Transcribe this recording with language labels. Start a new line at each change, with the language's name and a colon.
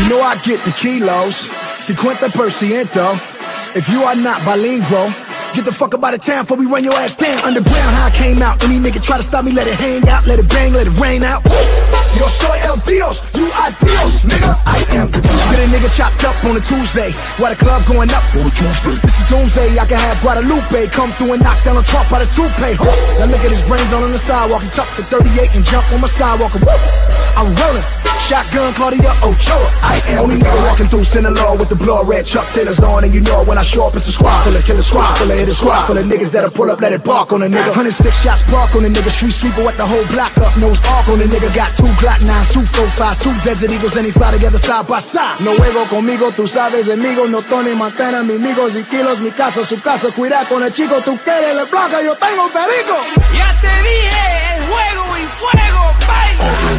English: I get the kilos,
Spanish: cincuenta por ciento.
English: If you are not bilingual, get the fuck up out of town before we run your ass down. Underground, how I came out. Any nigga try to stop me, let it hang out. Let it bang, let it rain out.
Spanish: Yo soy el Dios,
English: you are Dios, nigga. I am the Dios. Get a nigga chopped up on a Tuesday, while the club going up on a Tuesday. This is doomsday, I can have Guadalupe come through and knock down a Trump out his toupee. Now look at his brains on the sidewalk. He tucked the 38 and jump on my Skywalker. Woo! I'm rolling. Shotgun, Claudia, Ochoa. I am only nigga walking through Sinaloa with the blood red Chuck Taylor's on. And you know it when I show up, it's a squad full of killer squad, full of hitter squad, full of niggas that'll pull up, let it bark on a nigga. 106 shots bark on a nigga. Street sweeper at the whole block up. Nose arc on a nigga. Got two Glock 9s, two 45s, two Desert Eagles, and he fly together side by side.
Spanish: No juego conmigo, tú sabes, amigo. No Tony Montana, mi amigos y kilos. Mi casa, su casa, cuidado con el chico. Tú quieres la placa, yo tengo perico. Ya te dije, el juego y fuego, baila.